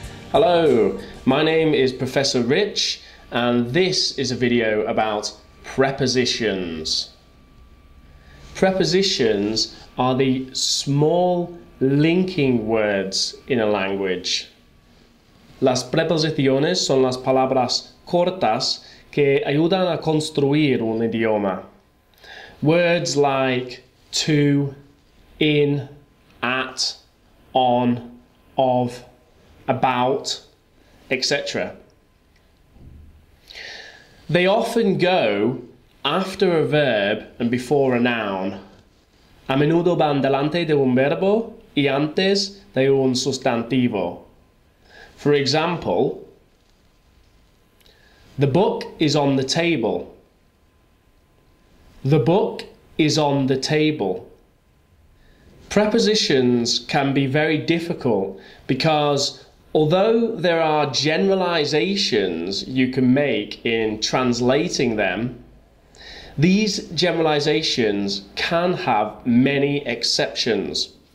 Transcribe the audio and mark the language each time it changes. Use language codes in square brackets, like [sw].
[en] Hello, my name is Professor Rich, and this is a video about prepositions. Prepositions are the small linking words in a language. [es] Las preposiciones son las palabras cortas que ayudan a construir un idioma. [en] Words like to, in, at, on, of, about, etc. They often go after a verb and before a noun. [es] A menudo van delante de un verbo y antes de un sustantivo. [en] For example, the book is on the table. The book is on the table. Prepositions can be very difficult because although there are generalizations you can make in translating them, these generalizations can have many exceptions.